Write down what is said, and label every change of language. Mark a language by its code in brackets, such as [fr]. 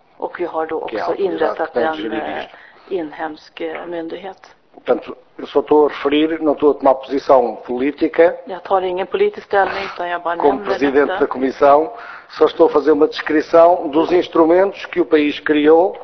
[sv] Och vi har då också inrättat en inhemsk myndighet. [pt] Portanto, eu só estou a referir, não estou a tomar posição política. [sv] Jag tar ingen politisk ställning, utan jag bara nämner. [pt] Como presidente da comissão, só estou a fazer uma descrição dos instrumentos que o país criou.